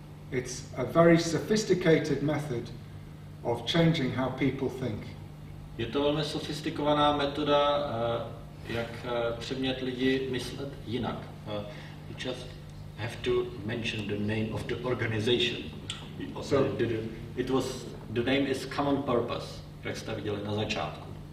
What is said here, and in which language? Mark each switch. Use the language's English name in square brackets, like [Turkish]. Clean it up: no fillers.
[English] It's a very sophisticated method of changing how people think. [Czech] Je to velmi sofistikovaná metoda, jak přemět lidi myslet jinak. [English] You just have to mention the name of the organization. So, it was, the name is Common Purpose, [Czech] jak jste viděli na začátku.